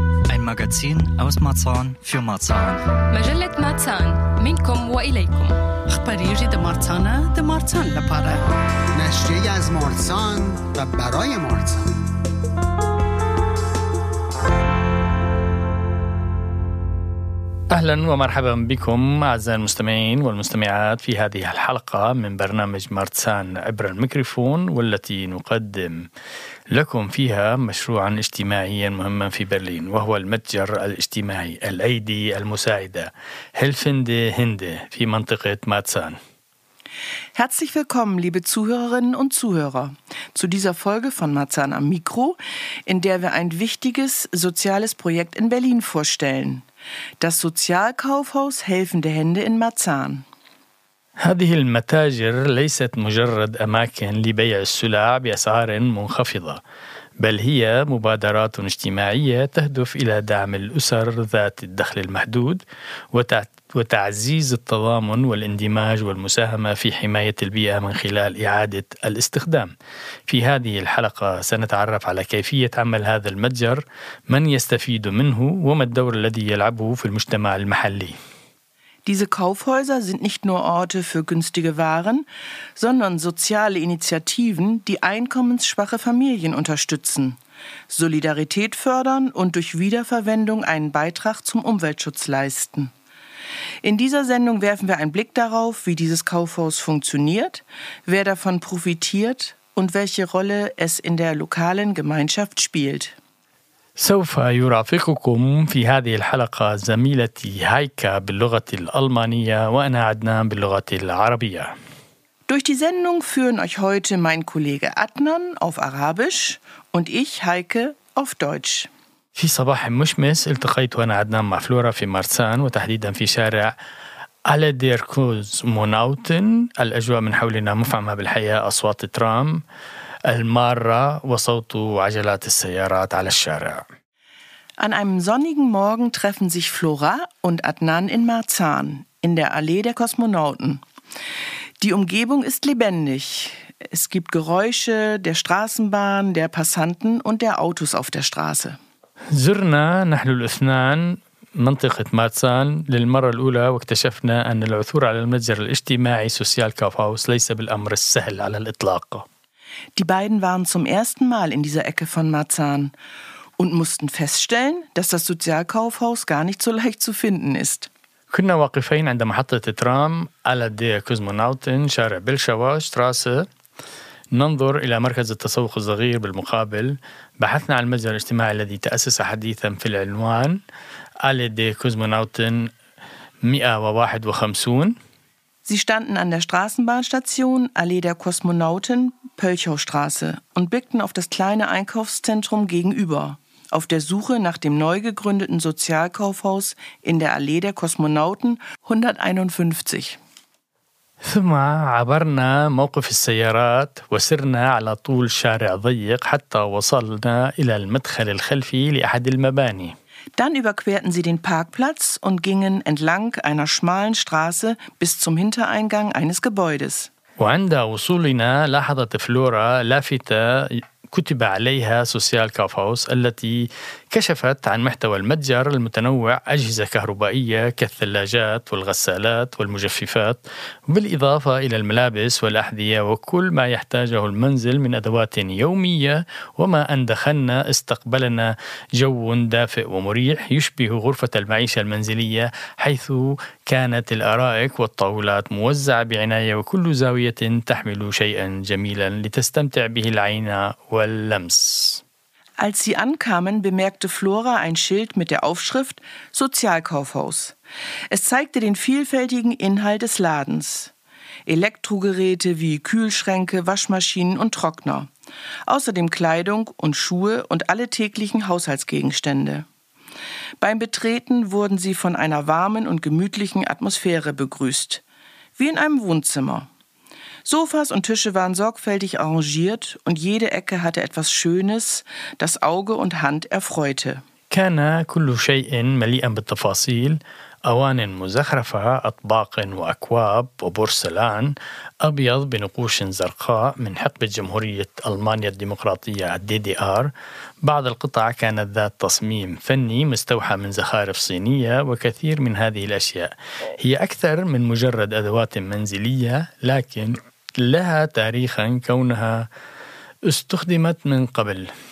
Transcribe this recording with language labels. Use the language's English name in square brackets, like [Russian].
[German] Ein Magazin aus Marzahn für Marzahn. [Arabic] مجلة Marzahn. منكم وإليكم. أخبار جديدة مارزانا ده مارزانا برا. [Persian] نشرية از مارزان و برای مارزان. [Arabic] أهلا ومرحبا بكم أعزائي المستمعين والمستمعات في هذه الحلقة من برنامج مارتسان عبر الميكروفون، والتي نقدم لكم فيها مشروعا اجتماعيا مهما في برلين، وهو المتجر الاجتماعي الأيدي المساعدة هيلفند هنده في منطقة مارتسان. [German] Herzlich willkommen, liebe Zuhörerinnen und Zuhörer, zu dieser Folge von Marzahn am Mikro, in der wir ein wichtiges soziales Projekt in Berlin vorstellen: das Sozialkaufhaus Helfende Hände in Marzahn. [Arabic] هذه المتاجر ليست مجرد أماكن لبيع السلع بأسعار منخفضة، بل هي مبادرات اجتماعية تهدف إلى دعم الأسر ذات الدخل المحدود وتعزيز التضامن والاندماج والمساهمة في حماية البيئة من خلال إعادة الاستخدام. في هذه الحلقة سنتعرف على كيفية عمل هذا المتجر، من يستفيد منه، وما الدور الذي يلعبه في المجتمع المحلي. [German] Diese Kaufhäuser sind nicht nur Orte für günstige Waren, sondern soziale Initiativen, die einkommensschwache Familien unterstützen, Solidarität fördern und durch Wiederverwendung einen Beitrag zum Umweltschutz leisten. In dieser Sendung werfen wir einen Blick darauf, wie dieses Kaufhaus funktioniert, wer davon profitiert und welche Rolle es in der lokalen Gemeinschaft spielt. [Arabic] سوف يرافقكم في هذه الحلقة زميلتي هايكا باللغة الألمانية وأنا عدنان باللغة العربية. [German] Durch die Sendung führen euch heute mein Kollege Adnan auf Arabisch und ich Heike auf Deutsch. [Arabic] في صباح مشمس التقيت أنا عدنان مع فلورا في مارسان، وتحديدا في شارع ألديركوز موناوتن. الأجواء من حولنا مفعمة بالحياة، أصوات ترام المارة وصوت عجلات السيارات على الشارع. [German] An einem sonnigen Morgen treffen sich Flora und Adnan in Marzahn, in der Allee der Kosmonauten. Die Umgebung ist lebendig. Es gibt Geräusche der Straßenbahn, der Passanten und der Autos auf der Straße. [Arabic] زرنا نحن الاثنان منطقة مارزان للمرة الأولى، واكتشفنا أن العثور على المتجر الاجتماعي سوسيال كافاوس ليس بالأمر السهل على الإطلاق. [German] Die beiden waren zum ersten Mal in dieser Ecke von Marzahn und mussten feststellen, dass das Sozialkaufhaus gar nicht so leicht zu finden ist. [Arabic] كنا واقفين عند محطة ترام على دي كوزمونوتن شارع بلشوا شتراسة ننظر إلى مركز التسوق الصغير بالمقابل. بحثنا عن المتجر الاجتماعي الذي تأسس حديثا في العنوان على دي كوزمونوتن 151. [German] Sie standen an der Straßenbahnstation Allee der Kosmonauten, Pölchowstraße, und blickten auf das kleine Einkaufszentrum gegenüber, auf der Suche nach dem neu gegründeten Sozialkaufhaus in der Allee der Kosmonauten 151. [Arabic] ثم عبرنا موقف السيارات وسرنا على طول شارع ضيق حتى وصلنا إلى المدخل الخلفي لأحد المباني. [German] Dann überquerten sie den Parkplatz und gingen entlang einer schmalen Straße bis zum Hintereingang eines Gebäudes. [Arabic] وعند وصولنا لاحظت فلورا لافتة كتب عليها سوسيال كافهاوس، التي كشفت عن محتوى المتجر المتنوع: أجهزة كهربائية كالثلاجات والغسالات والمجففات، بالإضافة إلى الملابس والأحذية وكل ما يحتاجه المنزل من أدوات يومية. وما أن دخلنا استقبلنا جو دافئ ومريح يشبه غرفة المعيشة المنزلية، حيث كانت الأرائك والطاولات موزعة بعناية وكل زاوية تحمل شيئا جميلا لتستمتع به العين واللمس. [German] Als sie ankamen, bemerkte Flora ein Schild mit der Aufschrift Sozialkaufhaus. Es zeigte den vielfältigen Inhalt des Ladens: Elektrogeräte wie Kühlschränke, Waschmaschinen und Trockner. Außerdem Kleidung und Schuhe und alle täglichen Haushaltsgegenstände. Beim Betreten wurden sie von einer warmen und gemütlichen Atmosphäre begrüßt, wie in einem Wohnzimmer. Sofas und Tische waren sorgfältig arrangiert und jede Ecke hatte etwas Schönes, das Auge und Hand erfreute. [Arabic] كان كل شيء مليئا بالتفاصيل. أوان مزخرفة، أطباق وأكواب وبورسلان أبيض بنقوش زرقاء من حقبة جمهورية ألمانيا الديمقراطية DDR. بعض القطع كانت ذات تصميم فني مستوحى من زخارف صينية، وكثير من هذه الأشياء هي أكثر من مجرد أدوات منزلية، لكن لها تاريخا كونها استخدمت من قبل.